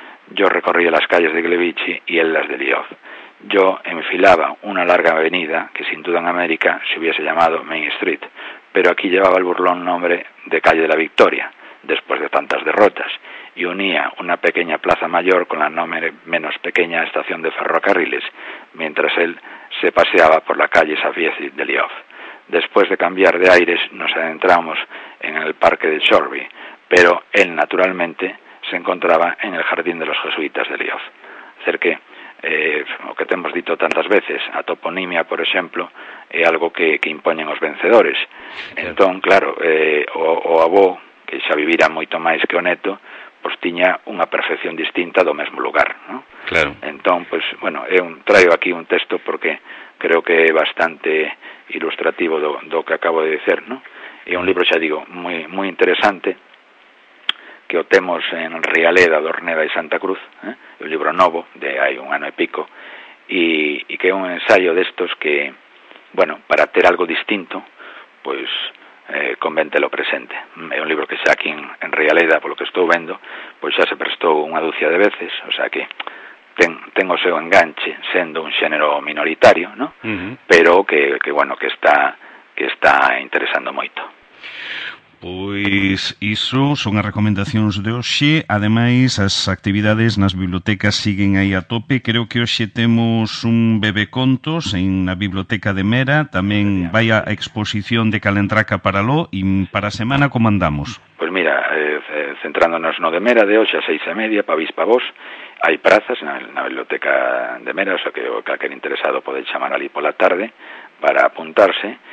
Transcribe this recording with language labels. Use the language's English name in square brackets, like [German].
[Spanish] Yo recorría las calles de Gulevich y él las de Lviv. Yo enfilaba una larga avenida que sin duda en América se hubiese llamado Main Street, pero aquí llevaba el burlón nombre de Calle de la Victoria, después de tantas derrotas, y unía una pequeña plaza mayor con la no menos pequeña estación de ferrocarriles, mientras él se paseaba por la calle Safiezi de Lviv. Después de cambiar de aires, nos adentramos en el Parque de Chorby, pero él, naturalmente, se encontraba en el Jardín de los Jesuitas de Lyoz. [Galician] Cerqué, o que te hemos dito tantas veces, a toponimia, por exemplo, é algo que impoñen os vencedores. Entón, claro, o avó, que xa vivira moito máis que o neto, pois tiña unha percepción distinta do mesmo lugar, ¿no? Claro. Entón, pois, bueno, traio aquí un texto porque creo que é bastante ilustrativo do que acabo de dicer, ¿no? É un libro, xa digo, moi moi interesante, que o temos en Rialeda, Dorneda e Santa Cruz, ¿eh? Un libro novo, de hai un ano e pico, e que é un ensayo destos que, bueno, para ter algo distinto, pois convente lo presente. É un libro que xa aquí en Rialeda, polo que estou vendo, pois xa se prestou unha dúcia de veces, o xa que ten o seu enganche, sendo un xénero minoritario, ¿no? Uh-huh. Pero que bueno, que está interesando moito. Pois iso son as recomendacións de hoxe. Ademais, as actividades nas bibliotecas siguen aí a tope. Creo que hoxe temos un bebé contos en a biblioteca de Mera. Tamén vai a exposición de Calentraca para Ló. E para a semana, como andamos? Pois mira, centrándonos no de Mera, de hoxe a 6:30, pa bis pa vos, hai prazas na biblioteca de Mera, o xa que calquer interesado pode chamar ali pola tarde para apuntarse.